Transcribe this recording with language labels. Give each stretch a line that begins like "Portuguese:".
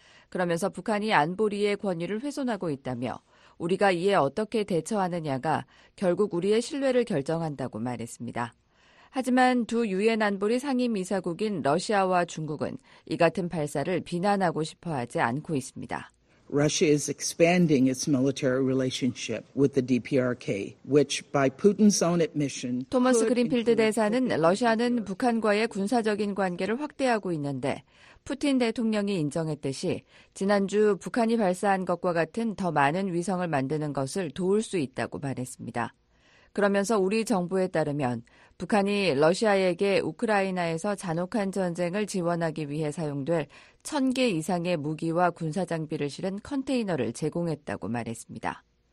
Korean: 그러면서 북한이 안보리의 권위를 훼손하고 있다며 우리가 이에 어떻게 대처하느냐가 결국 우리의 신뢰를 결정한다고 말했습니다. 하지만 두 유엔 안보리 상임이사국인 러시아와 중국은 이 같은 발사를 비난하고 싶어 하지 않고 있습니다.
English: Russia is expanding its military relationship with the DPRK, which by Putin's own admission.
Korean: 토마스 그린필드 대사는 러시아는 북한과의 군사적인 관계를 확대하고 있는데 푸틴 대통령이 인정했듯이 지난주 북한이 발사한 것과 같은 더 많은 위성을 만드는 것을 도울 수 있다고 말했습니다. 그러면서 우리 정부에 따르면 북한이 러시아에게 우크라이나에서 잔혹한 전쟁을 지원하기 위해 사용될 1,000개 이상의 무기와 군사장비를 실은 컨테이너를 제공했다고 말했습니다.